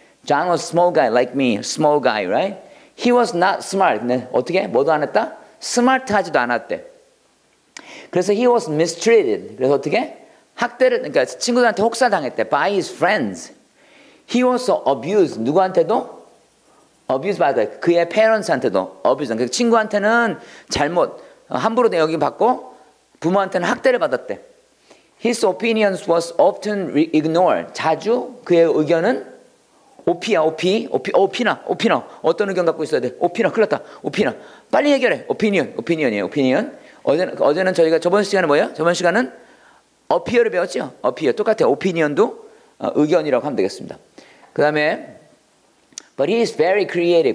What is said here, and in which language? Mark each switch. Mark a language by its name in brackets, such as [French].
[English] John was a small guy like me. Small guy, right? He was not smart. [Korean] 근데 어떻게? 뭐도 안 했다? 스마트하지도 않았대. [English] 그래서 he was mistreated. [Korean] 그래서 어떻게? 학대를 그러니까 친구들한테 혹사당했대. [English] By his friends. He was abused. [Korean] 누구한테도? [English] Abused by [Korean] 그의 parents한테도. Abused. 그러니까 친구한테는 잘못 함부로 대우받고 부모한테는 학대를 받았대. [English] His opinions was often ignored. [Korean] 자주 그의 의견은 오피야, 오피. 오피, 오피나, 오피나. 어떤 의견 갖고 있어야 돼? 오피나, 큰일 났다. 오피나. 빨리 해결해. 오피니언, 오피니언이에요. 오피니언. 어제는 저희가 저번 시간에 뭐예요? 저번 시간은 어피어를 배웠죠? 어피어. 똑같아요. 오피니언도 의견이라고 하면 되겠습니다. 그 다음에 [English] But he is very creative.